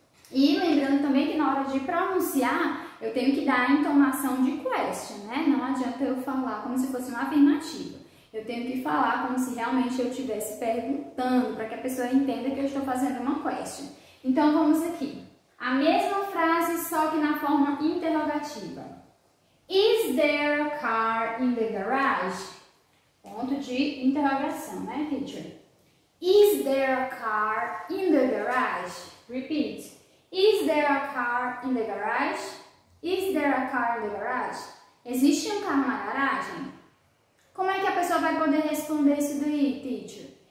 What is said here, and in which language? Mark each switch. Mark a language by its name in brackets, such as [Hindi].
[Portuguese] E lembrando também que na hora de pronunciar, eu tenho que dar a entonação de question, né? Não adianta eu falar como se fosse uma afirmativa. Eu tenho que falar como se realmente eu estivesse perguntando, para que a pessoa entenda que eu estou fazendo uma question. Então, vamos aqui. A mesma frase, só que na forma interrogativa. [English] Is there a car in the garage? [Portuguese] Ponto de interrogação, né, teacher? [English] Is there a car in the garage? Repeat. Is there a car in the garage? Is there a car in the garage? [Portuguese] Existe um carro na garagem? Como é que a pessoa vai poder responder isso daí, teacher?